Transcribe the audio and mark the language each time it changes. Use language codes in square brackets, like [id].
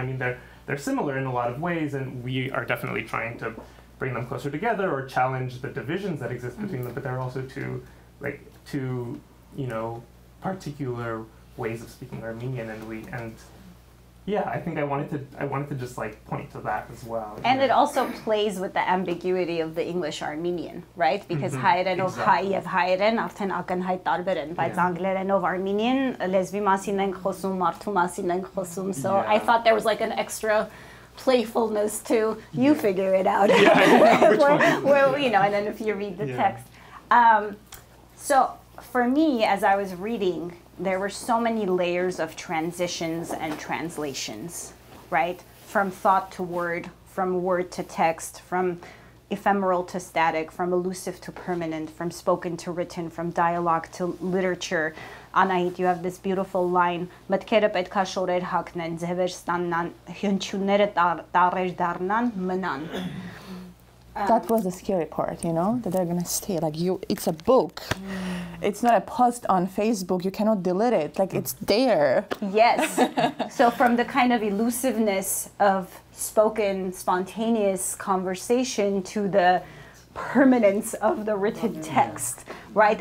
[en] I mean, they're similar in a lot of ways, and we are definitely trying to bring them closer together or challenge the divisions that exist between them, but they're also two, you know, particular ways of speaking Armenian, I wanted to just point to that as well. And it also plays with the ambiguity of the English Armenian, right? [hy] Because Հայերենով հայ եւ հայերեն արդեն ակնհայտ տարբեր են, բայց անգլերենով Armenian լեզվի մասին ենք խոսում, մարդու մասին ենք խոսում. [en] So yeah. I thought there was an extra playfulness to you figure it out. Yeah, well, and then if you read the text. So for me, as I was reading, there were so many layers of transitions and translations, right? From thought to word, from word to text, from ephemeral to static, from elusive to permanent, from spoken to written, from dialogue to literature. Anahit, you have this beautiful line, [hy] մտքերը պետք է շորեր հագնեն, ձևեր ստանան, հյունչունները տարեր դառնան, մնան. [en] That was the scary part, you know, that they're going to stay. Like, you, it's a book. Mm. It's not a post on Facebook. You cannot delete it. Like, it's there. Yes. So from the kind of elusiveness of spoken, spontaneous conversation to the permanence of the written text, right?